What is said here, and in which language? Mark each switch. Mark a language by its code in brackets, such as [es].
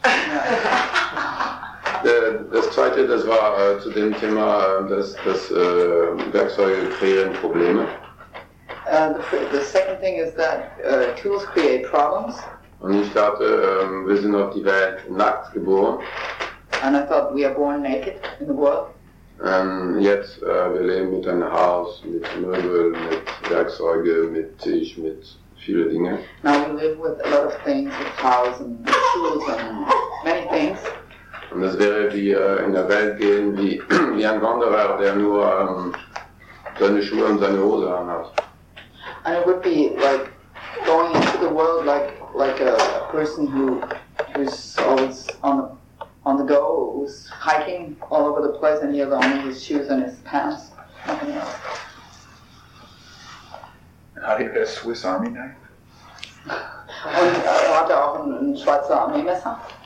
[de] Das zweite, das war zu dem Thema, dass Werkzeuge kreieren Probleme. [en] The second thing is that tools create problems. [de] Und ich dachte, wir sind auf die Welt nackt geboren. [en] And I thought we are born naked in the world. [de] Und jetzt, wir leben mit einem Haus, mit Möbel, mit Werkzeuge, mit Tisch, mit vielen Dingen. [en] Now we live with a lot of things, with tools and tools and many things. [de] Und das wäre wie in der Welt gehen, wie ein Wanderer, der nur seine Schuhe und seine Hose anhat. [en] And it would be like going into the world like a person who's always on the go, who's hiking all over the place and he has only his shoes and his pants, nothing else. [de] Hat er [en] a Swiss Army knife? [de] Und hat er auch ein Schweizer Armee Messer?